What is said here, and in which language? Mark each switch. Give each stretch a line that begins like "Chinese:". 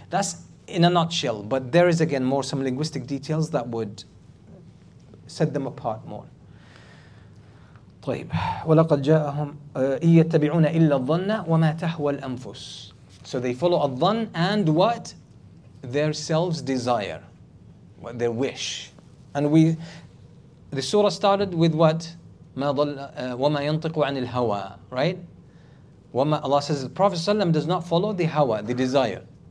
English: That's in a nutshell, but there is again more some linguistic details that would set them apart more.
Arabic: طيب ولقد جاءهم إن يتبعون إلا الظن وما تهوى الأنفس.
English: So they follow الظن and what their selves desire, what their wish. And we, the surah started with what
Arabic: ما ضل وما ينطق عن الهوى,
English: right? وما, Allah says the Prophet ﷺ does not follow the hawa, the desire.